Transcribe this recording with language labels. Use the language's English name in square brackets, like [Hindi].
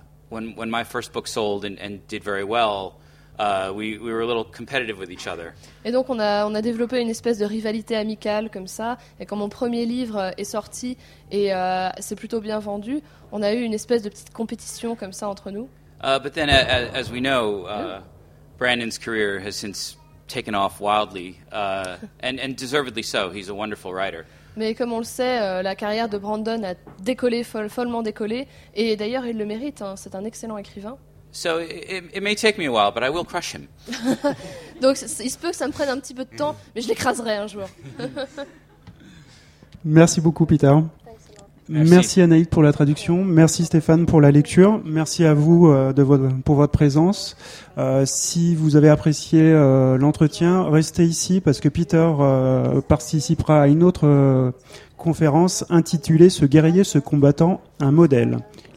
[English] When my first book sold and did very well, We were a little competitive with each other. [French] Et donc on a développé une espèce de rivalité amicale comme ça. Et quand mon premier livre est sorti et c'est plutôt bien vendu, on a eu une espèce de petite compétition comme ça entre nous. [English] But then, as we know, Brandon's career has since taken off wildly, and deservedly so. He's a wonderful writer. [French] Mais comme on le sait, la carrière de Brandon a décollé, follement décollé, et d'ailleurs il le mérite. Hein, c'est un excellent écrivain. [English] So it may take me a while, but I will crush him. [French] Donc il se peut que ça me prenne un petit peu de temps, mais je l'écraserai un jour. Merci beaucoup, Peter. Merci Anaïd pour la traduction, merci Stéphane pour la lecture, merci à vous pour votre présence. Si vous avez apprécié l'entretien, restez ici parce que Peter participera à une autre conférence intitulée « Ce guerrier, ce combattant, un modèle ».